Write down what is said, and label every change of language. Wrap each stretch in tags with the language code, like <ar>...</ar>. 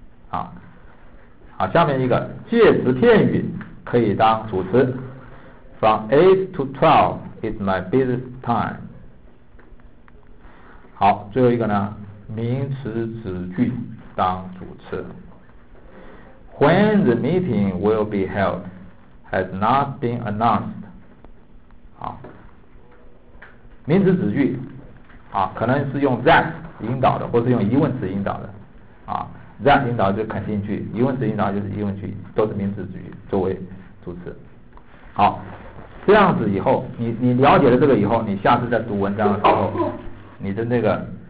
<zh>好，下面一个介词片语可以当主词。</zh> <en>From 8 to 12 is my busiest time.</en> <zh>好，最后一个呢，名词子句当主词。</zh> <en>When the meeting will be heldhas not been announced.</en> <zh>好，名词子句啊，可能是用 that 引导的，或是用疑问词引导的啊。 that 引导就是肯定句，疑问词引导就是疑问句，都是名词子句作为主词。好，这样子以后你了解了这个以后，你下次在读文章的时候，你的那个</zh>